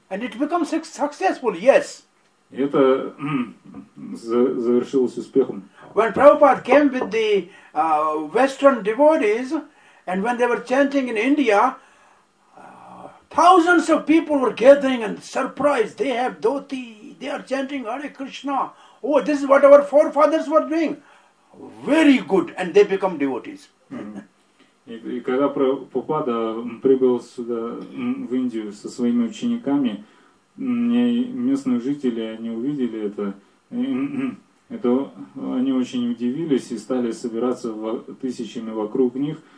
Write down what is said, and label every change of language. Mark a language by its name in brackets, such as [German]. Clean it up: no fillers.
[English] And it becomes successful, yes. [Russian] Это завершилось успехом. [English] When Prabhupada came with the Western devotees, and when they were chanting in India, thousands of people were gathering and surprised. They have dhoti. They are chanting Hare Krishna. Oh, this is what our forefathers were doing. Very good. And they become devotees. [Russian] И когда Прабхупада прибыл сюда, в Индию, со своими учениками, местные жители, они увидели это. Это они очень удивились и стали собираться тысячами вокруг них.